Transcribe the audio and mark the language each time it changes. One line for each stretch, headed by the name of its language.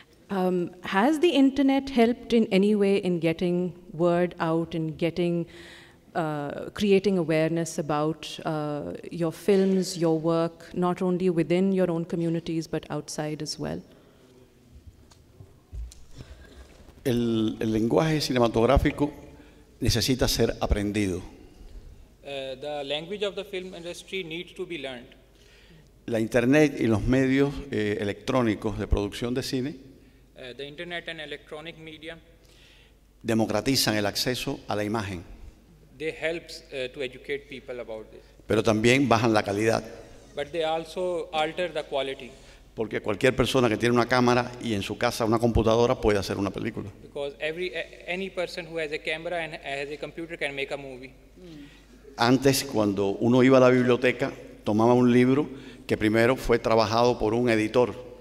English: Has the internet helped in any way in getting word out, in getting, creating awareness about your films, your work, not only within your own communities, but outside as well?
Spanish: El lenguaje cinematográfico necesita ser aprendido.
English: The language of the film industry needs to be learned.
Spanish: La internet y los medios electrónicos de producción de cine
English: the internet and electronic media
Spanish: democratizan el acceso a la imagen.
English: They helps to educate people about this.
Spanish: Pero también bajan la calidad.
English: But they also alter the quality.
Spanish: Porque cualquier persona que tiene una cámara y en su casa una computadora puede hacer una película.
English: Because any person who has a camera and has a computer can make a movie.
Spanish: Antes, cuando uno iba a la biblioteca, tomaba un libro que primero fue trabajado por un editor.